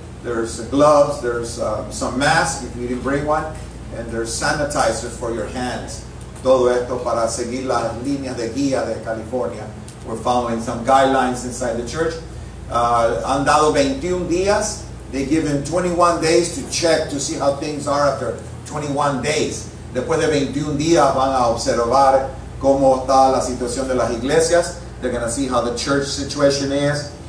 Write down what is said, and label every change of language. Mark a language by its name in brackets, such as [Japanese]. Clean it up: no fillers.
[English] There's gloves, there's some masks if you didn't bring one, and there's sanitizers for your hands. [Spanish] Todo esto para seguir las líneas de guía de California. [English] We're following some guidelines inside the church. [Spanish] Han dado 21 días. [English] They give him 21 days to check to see how things are after 21 days. [Spanish] Después de 21 días van a observar cómo está la situación de las iglesias. [English] They're going to see how the church situation is.